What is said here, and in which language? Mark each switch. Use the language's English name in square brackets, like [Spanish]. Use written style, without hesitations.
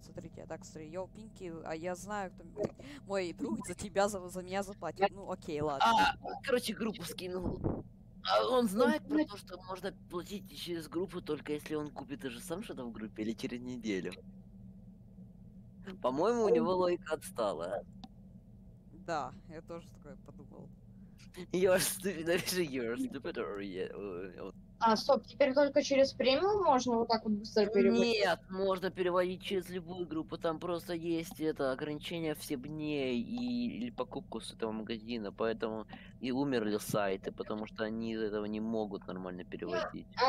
[Russian] Смотрите, смотри, йоу, Пинки, а я знаю, кто мой друг за меня заплатит, ну окей, ладно. Короче, группу скинул. А он знает про то, что можно платить через группу, только если он купит уже сам что-то в группе или через неделю. По-моему, у него логика отстала. Да, я тоже такое подумал. [English] You're stupid, [Russian] напиши, [English] you're stupid, or you... [Russian] А, стоп, теперь только через премиум можно вот так вот быстро переводить? Нет, можно переводить через любую группу, там просто есть это ограничение в 7 дней или покупку с этого магазина, поэтому и умерли сайты, потому что они из этого не могут нормально переводить.